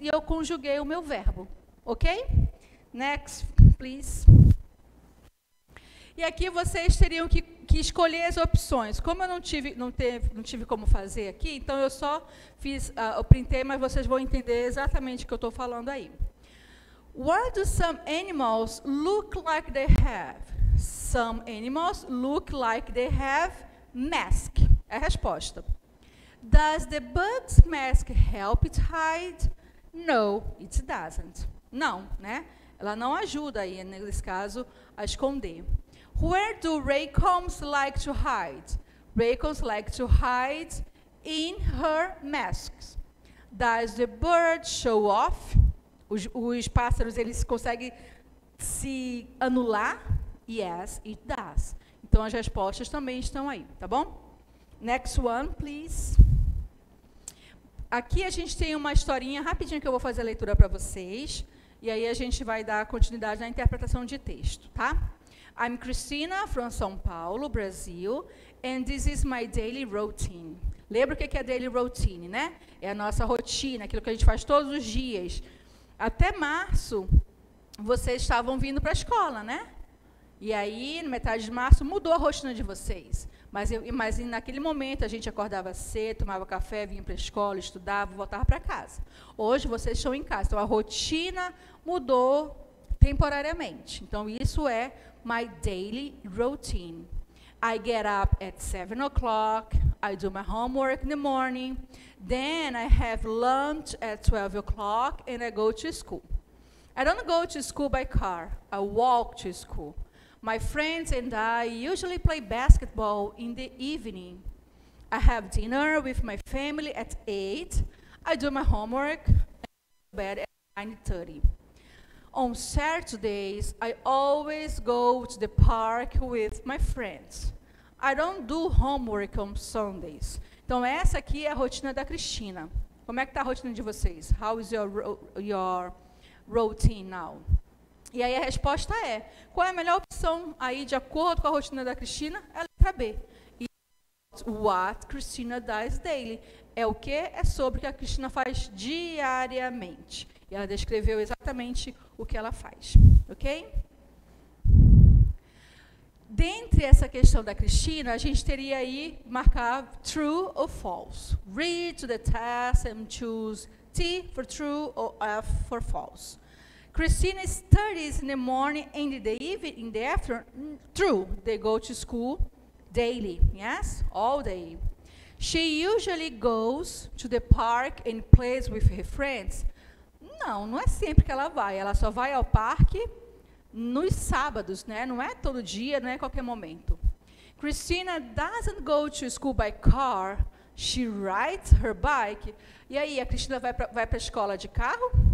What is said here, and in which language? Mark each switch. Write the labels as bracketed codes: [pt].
[pt] E eu conjuguei o meu verbo. Ok? [en] Next, please. [pt] E aqui vocês teriam que escolher as opções. Como eu não tive como fazer aqui, então eu só fiz, eu printei, mas vocês vão entender exatamente o que eu estou falando aí. [en] What do some animals look like they have? Some animals look like they have mask. [pt] É a resposta. [en] Does the bug's mask help it hide? No, it doesn't. [pt] Não, né? Ela não ajuda aí, nesse caso, a esconder. [en] Where do raccoons like to hide? Raccoons like to hide in her masks. Does the bird show off? [pt] Os pássaros, eles conseguem se anular? [en] Yes, it does. [pt] Então, as respostas também estão aí, tá bom? [en] Next one, please. [pt] Aqui a gente tem uma historinha rapidinha que eu vou fazer a leitura para vocês. E aí a gente vai dar continuidade na interpretação de texto, tá? [en] I'm Christina from São Paulo, Brasil, and this is my daily routine. [pt] Lembra o que é daily routine, né? É a nossa rotina, aquilo que a gente faz todos os dias. Até março, vocês estavam vindo para a escola, né? E aí, na metade de março, mudou a rotina de vocês. Mas naquele momento, a gente acordava cedo, tomava café, vinha para a escola, estudava, voltava para casa. Hoje, vocês estão em casa. Então, a rotina mudou temporariamente. Então, isso é my daily routine. [en] I get up at 7 o'clock. I do my homework in the morning. Then, I have lunch at 12 o'clock and I go to school. I don't go to school by car. I walk to school. My friends and I usually play basketball in the evening. I have dinner with my family at 8. I do my homework and go to bed at 9:30. On Saturdays, I always go to the park with my friends. I don't do homework on Sundays. [pt] Então, essa aqui é a rotina da Cristina. Como é que está a rotina de vocês? [en] How is your routine now? [pt] E aí a resposta é, qual é a melhor opção aí de acordo com a rotina da Cristina? É a letra B. [en] What Cristina does daily. [pt] É o que? É sobre o que a Cristina faz diariamente. E ela descreveu exatamente o que ela faz. Ok? Dentre essa questão da Cristina, a gente teria aí marcar true ou false. [en] Read to the test and choose T for true or F for false. Christina studies in the morning and in the evening, in the afternoon, true, they go to school daily, yes, all day. She usually goes to the park and plays with her friends. [pt] Não é sempre que ela vai, ela só vai ao parque nos sábados, né? Não é todo dia, não é qualquer momento. [en] Christina doesn't go to school by car, she rides her bike. [pt] E aí, a Christina vai para a escola de carro?